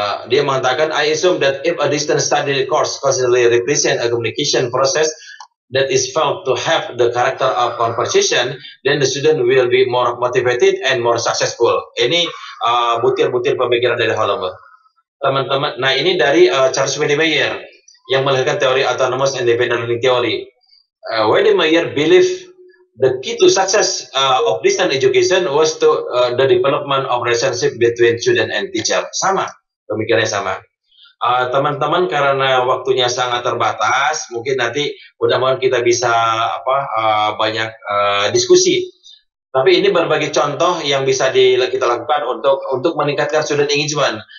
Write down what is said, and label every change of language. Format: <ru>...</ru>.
<id>Dia mengatakan,</id> <en>I assume that if a distance study course constantly represents a communication process that is felt to have the character of conversation, then the student will be more motivated and more successful.</en> <id>Ini butir-butir pemikiran dari Hollenberg. Teman-teman, nah ini dari Charles Wedemeyer yang melahirkan teori autonomous independent learning theory.</id> <en>Wedemeyer believed the key to success of distance education was to the development of relationship between student and teacher.</en> <id>Sama, pemikirannya sama. Teman-teman karena waktunya sangat terbatas, mungkin nanti mudah-mudahan kita bisa banyak diskusi. Tapi ini berbagai contoh yang bisa kita lakukan untuk meningkatkan student engagement.</id>